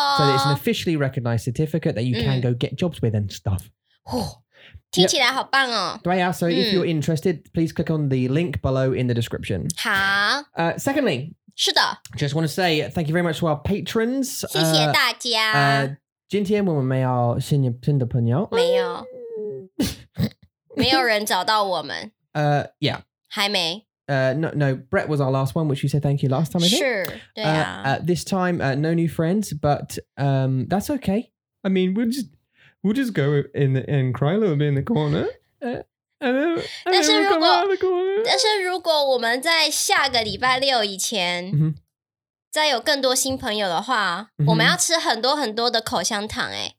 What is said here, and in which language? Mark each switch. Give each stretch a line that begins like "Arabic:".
English: So it's an officially recognized certificate that you can go get jobs with and stuff.
Chinese: 听起来好棒哦。对啊，
English: so if you're interested, please click on the link below in the description.
Chinese: 好。
English: Secondly,
Chinese: 是的。
English: Just want to say thank you very much to our patrons.
Chinese: 谢谢大家。今天我们没有新的朋友。没有。没有人找到我们。
English: Yeah.
Chinese: 还没。
English: No, Brett was our last one, which you said thank you last time, I think. Sure,
Chinese: 对啊。
English: This time, no new friends, but that's okay. I mean, we'll just go in and cry a little bit in the corner. And then we'll come out of the corner.
Chinese: 但是如果我们在下个礼拜六以前再有更多新朋友的话我们要吃很多很多的口香糖耶。